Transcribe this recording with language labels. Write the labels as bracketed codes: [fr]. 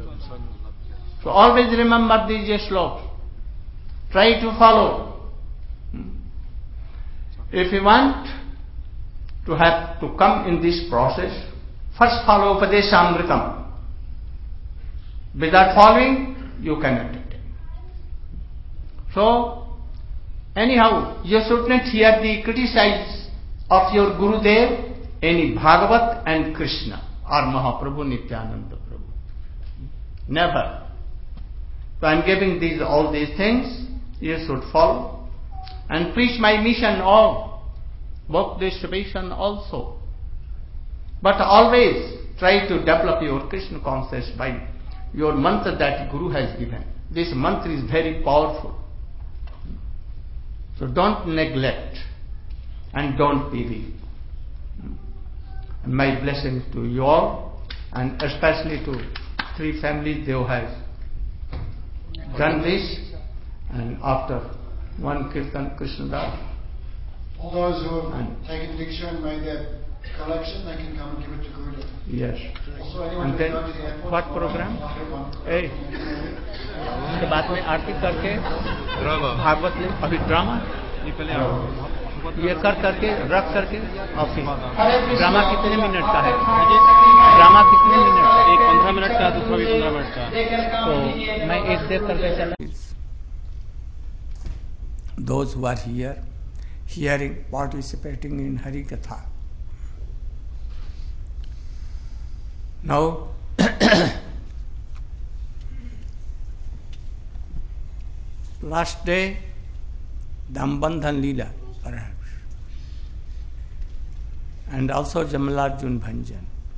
[en] So always remember these श्लोक, try to follow. If you want to have to come in this process, first follow Upadeshamritam, without following you can not attain. So anyhow, you should not hear the criticize of your Gurudev, any Bhagavat and Krishna or Mahaprabhu Nityananda Prabhu. Never. So I am giving all these things, you should follow. and preach my mission of work distribution also. But always try to develop your Krishna consciousness by your mantra that Guru has given. This mantra is very powerful. So don't neglect and don't be weak. My blessings to you all and especially to three families who have done this. And after one Kirtan Krishna Das. All those who have taken diksha and made their collection, they can come and give it to Gurudev. Yes. Also, anyone and then, to the airport, what program? Hey. [hi] उसके बाद में आरती करके भागवत ले अभी drama ये पहले ये कर करके रख करके ऑफिस ड्रामा कितने मिनट का है ड्रामा कितने मिनट एक 15 मिनट का दूसरा भी 15 मिनट का तो मैं एक देर करके चला [en] those who are here hearing participating in hari katha now last day dambandhan leela perhaps and also jamalarjun bhanjan